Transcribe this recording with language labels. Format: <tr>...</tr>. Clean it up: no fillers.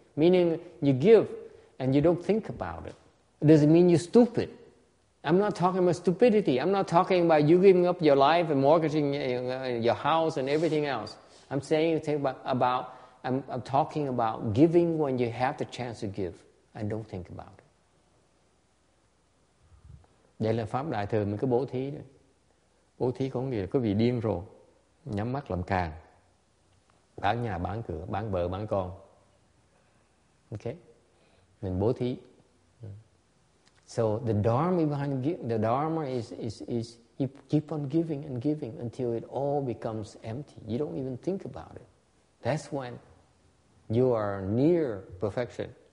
<en>Meaning you give and you don't think about it. It doesn't mean you're stupid. I'm not talking about stupidity. I'm not talking about you giving up your life and mortgaging your house and everything else. I'm saying I'm talking about giving when you have the chance to give and don't think about it.</en> <vi>Đây là pháp đại thừa, mình cứ bố thí đó. Bố thí có nghĩa là quý vị điên rồi, nhắm mắt làm càng, bán nhà bán cửa, bán vợ bán con. Ok, mình bố thí.</vi> <en>So the dharma behind the dharma is you keep on giving and giving until it all becomes empty. You don't even think about it. That's when you are near perfection.</en>